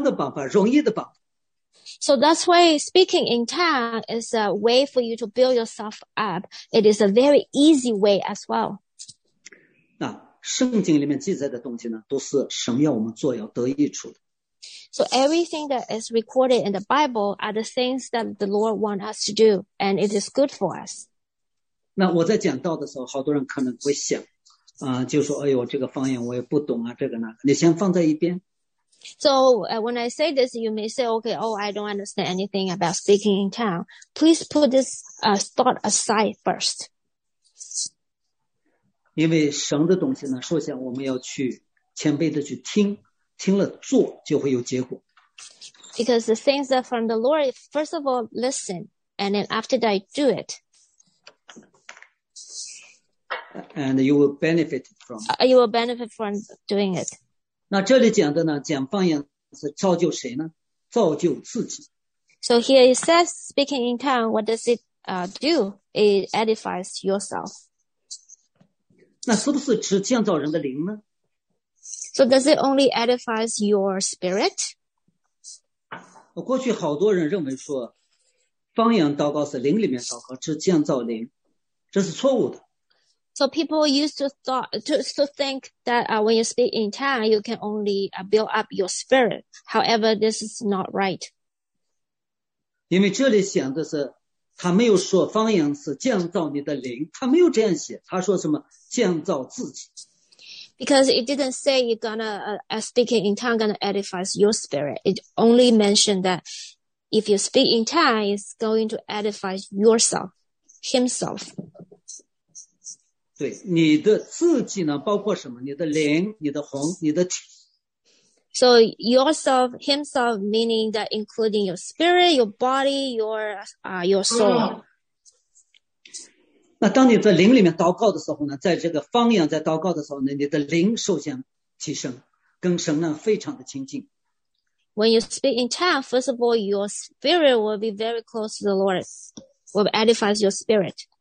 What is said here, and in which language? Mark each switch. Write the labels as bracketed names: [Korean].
[Chinese] 所以方言呢，就是一个恩赐，上帝赐下来呢，让人能够来建造自己，而且是一个简单的办法，容易的办法。 [English] So that's why speaking in tongue is a way for you to build yourself up. It is a very easy way as well. [Chinese] 那圣经里面记载的东西呢，都是神要我们做，要得益处的。 [English] So everything that is recorded in the Bible are the things that the Lord wants us to do, and it is good for us. [Chinese] 那我在讲道的时候，好多人可能会想，就说，哎呦，这个方言我也不懂啊，这个呢，你先放在一边。 [English] So when I say this, you may say, okay, oh, I don't understand anything about speaking in tongues. Please put this thought aside first. [Chinese] 因为神的东西呢，首先我们要去谦卑的去听。听了做就会有结果。 [English] Because the things that from the Lord, first of all, listen, and then after that, do it. And you will benefit from it. You will benefit from doing it. [Chinese] 那这里讲的呢，讲方言是造就谁呢？造就自己。 [English] So here it says, speaking in tongue, what does it, do? It edifies yourself. [Chinese] 那是不是只建造人的灵呢？ [English] So does it only edifies your spirit? [Chinese] 我过去好多人认为说，方言祷告是灵里面祷告，只建造灵，这是错误的。 [English] So people used to think that when you speak in tongues, you can only build up your spirit. However, this is not right. [Chinese] 因为这里显得是他没有说方言是建造你的灵，他没有这样写，他说什么建造自己。 [English] Because it didn't say you're gonna speaking in tongues gonna edify your spirit. It only mentioned that if you speak in tongues, it's going to edify yourself, himself. [Chinese] 对你的自己呢，包括什么？你的灵、你的魂、你的体。 [English] So yourself, himself, meaning that including your spirit, your body, your soul. [Chinese] 那当你在灵里面祷告的时候呢，在这个方言在祷告的时候呢，你的灵首先提升，跟神呢非常的亲近。 [English] When you speak in tongues, first of all, your spirit will be very close to the Lord, will edify your spirit.